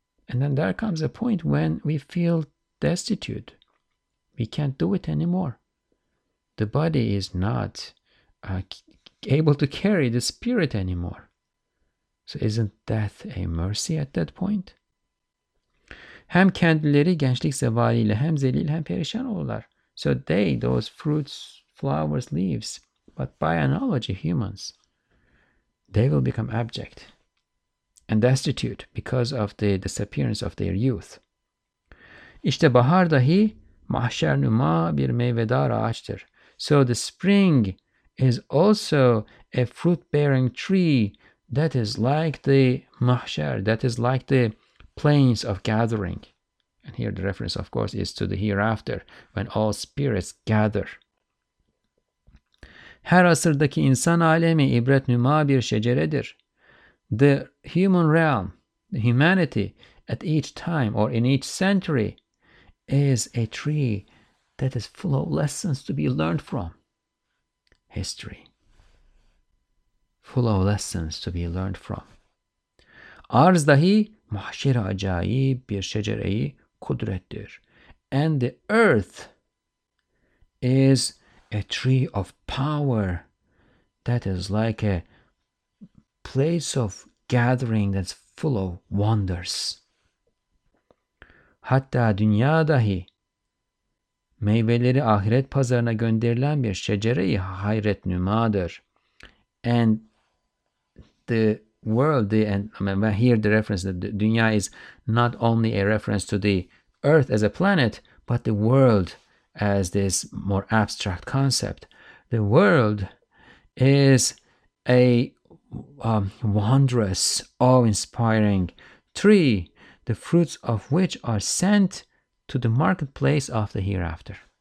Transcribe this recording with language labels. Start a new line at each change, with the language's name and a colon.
English: And then there comes a point when we feel destitute. We can't do it anymore. The body is not able to carry the spirit anymore. So isn't death a mercy at that point?
Turkish: Hem kendileri gençlik zevaliyle hem zelil hem perişan olurlar.
English: So they, those fruits, flowers, leaves, but by analogy, humans, they will become abject and destitute because of the disappearance of their youth.
Turkish: İşte bahar dahi mahşernuma bir meyvedar ağaçtır.
English: So the spring is also a fruit-bearing tree that is like the mahşer, that is like the plains of gathering. And here the reference, of course, is to the hereafter, when all spirits gather.
Turkish: Her asırdaki insan alemi ibret nüma bir şeceredir.
English: The human realm, the humanity, at each time or in each century, is a tree that is full of lessons to be learned from. History. Full of lessons to be learned from.
Turkish: Arz dahi mahşere acayip bir şecereyi kudrettir.
English: And the earth is a tree of power that is like a place of gathering that's full of wonders.
Turkish: Hatta dünya dahi meyveleri ahiret pazarına gönderilen bir şecere-i hayret nümadır.
English: And the world, here the reference, that the dünya is not only a reference to the earth as a planet, but the world as this more abstract concept. The world is a wondrous, awe-inspiring tree, the fruits of which are sent to the marketplace of the hereafter.